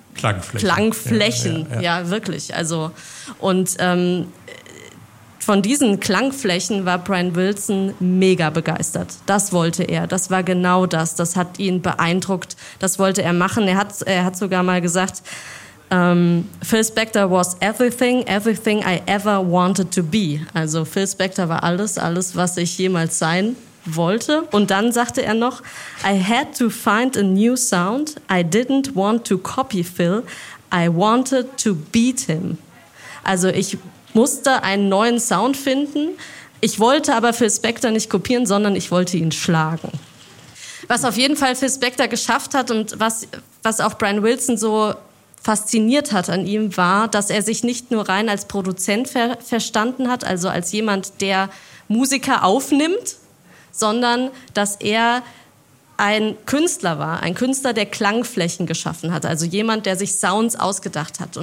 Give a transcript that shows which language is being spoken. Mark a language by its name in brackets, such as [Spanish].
[German] Klangflächen. Ja, wirklich. Also, und von diesen Klangflächen war Brian Wilson mega begeistert. Das wollte er. Das war genau das. Das hat ihn beeindruckt. Das wollte er machen. Er hat sogar mal gesagt, [English] Phil Spector was everything, everything I ever wanted to be. [German] Also Phil Spector war alles, alles, was ich jemals sein wollte. Und dann sagte er noch, [English] I had to find a new sound. I didn't want to copy Phil. I wanted to beat him. [German] Also ich musste einen neuen Sound finden. Ich wollte aber Phil Spector nicht kopieren, sondern ich wollte ihn schlagen. Was auf jeden Fall Phil Spector geschafft hat und was auch Brian Wilson so fasziniert hat an ihm, war, dass er sich nicht nur rein als Produzent verstanden hat, also als jemand, der Musiker aufnimmt, sondern dass er ein Künstler war, ein Künstler, der Klangflächen geschaffen hat, also jemand, der sich Sounds ausgedacht hat.